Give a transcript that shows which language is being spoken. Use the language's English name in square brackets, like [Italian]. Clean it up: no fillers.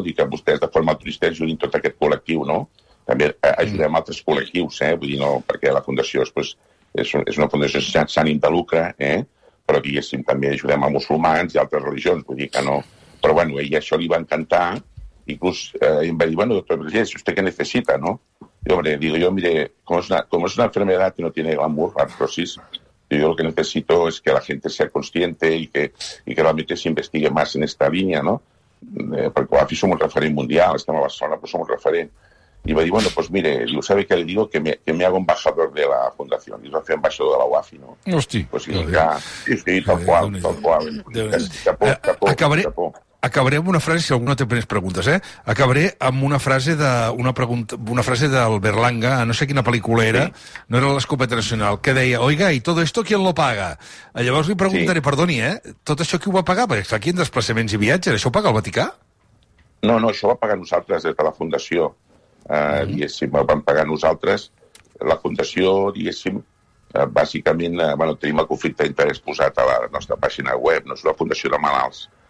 [Catalan] Dic que vostès, de forma altruista, ajudin tot aquest col·lectiu, no? També ajudem altres col·lectius, eh? Vull dir, no, perquè la Fundació és una fundació sense ànim de lucre, eh? Però, diguéssim, també ajudem a musulmans i altres religions, vull dir que no. Però, bueno, ell això li va encantar. Inclús em va dir, [Spanish] bueno, doctor Vergés, ¿usted qué necesita, no? Y hombre, digo yo, mire, como es una enfermedad que no tiene glamour, artrosis, yo lo que necesito es que la gente sea consciente y que realmente se investigue más en esta línea, ¿no? Porque aquí somos referente mundial, estamos en Barcelona, pues somos referente. Y me dijo, bueno, pues mire, digo, ¿sabe qué le digo? Que me hago embajador de la fundación. Y lo hace embajador de la UAFI, ¿no? [Catalan] Hosti. [Spanish] Pues sí, tal cual. Chapó. [Catalan] Acabaré amb una frase, si algú no té més preguntes, eh? Acabaré amb una frase del Berlanga, no sé quina pel·lícula era, sí. No era l'Escopeta Nacional, que deia, [Spanish] oiga, ¿y todo esto quién lo paga? [Catalan] Llavors li preguntaré, sí. Perdoni, eh? Tot això qui ho va pagar? Perquè està aquí en desplaçaments i viatges, això ho paga el Vaticà? No, això ho va pagar nosaltres des de la Fundació. Diguéssim, ho vam pagar nosaltres. La Fundació, diguéssim, bàsicament, bueno, tenim el conflicte d'interès posat a la nostra pàgina web, no és una Fundació de Malalts.